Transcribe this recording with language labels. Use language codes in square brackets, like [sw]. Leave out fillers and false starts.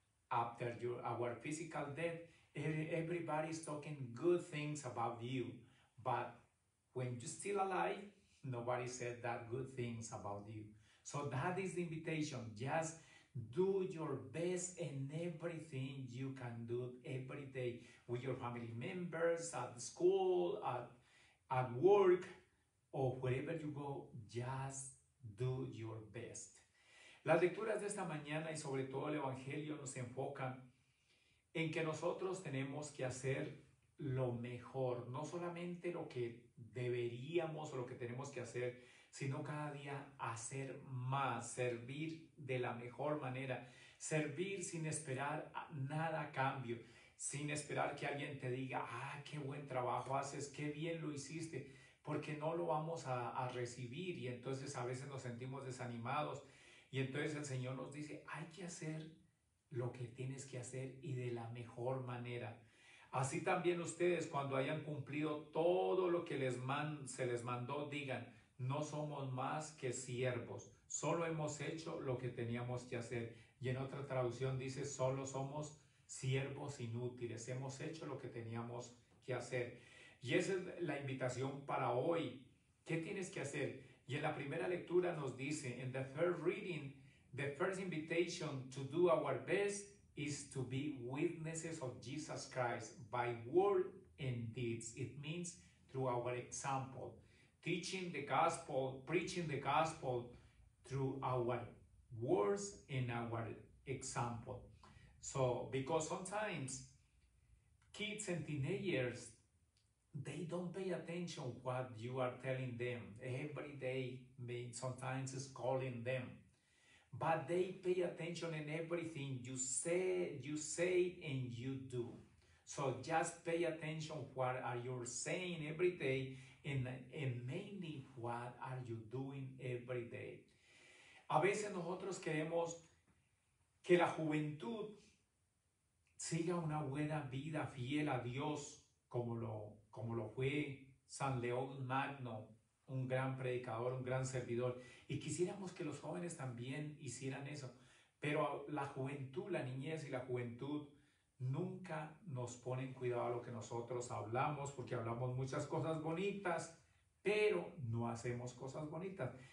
[en] After our physical death, everybody is talking good things about you, but when you're still alive, nobody said that good things about you. So that is the invitation. Just Do your best in everything you can do every day with your family members, at school, at work, or wherever you go, just do your best. [es] Las lecturas de esta mañana y sobre todo el Evangelio nos enfocan en que nosotros tenemos que hacer lo mejor, no solamente lo que deberíamos o lo que tenemos que hacer, sino cada día hacer más, servir de la mejor manera, servir sin esperar nada a cambio, sin esperar que alguien te diga, ah, qué buen trabajo haces, qué bien lo hiciste, porque no lo vamos a recibir, y entonces a veces nos sentimos desanimados, y entonces el Señor nos dice, hay que hacer lo que tienes que hacer y de la mejor manera. Así también ustedes, cuando hayan cumplido todo lo que se les mandó, digan, no somos más que siervos, solo hemos hecho lo que teníamos que hacer. Y en otra traducción dice, solo somos siervos inútiles, hemos hecho lo que teníamos que hacer. Y esa es la invitación para hoy. ¿Qué tienes que hacer? Y en la primera lectura nos dice, [en] in the first reading, the first invitation to do our best is to be witnesses of Jesus Christ by word and deeds. It means through our example, teaching the gospel, preaching the gospel through our words and our example. So, because sometimes kids and teenagers, they don't pay attention what you are telling them. Every day, sometimes it's calling them. But they pay attention in everything you say and you do. So just pay attention what are you saying every day and mainly what are you doing every day. [es] A veces nosotros queremos que la juventud siga una buena vida fiel a Dios como lo fue San León Magno, un gran predicador, un gran servidor. Y quisiéramos que los jóvenes también hicieran eso. Pero la juventud, la niñez y la juventud nunca nos ponen cuidado a lo que nosotros hablamos, porque hablamos muchas cosas bonitas, pero no hacemos cosas bonitas.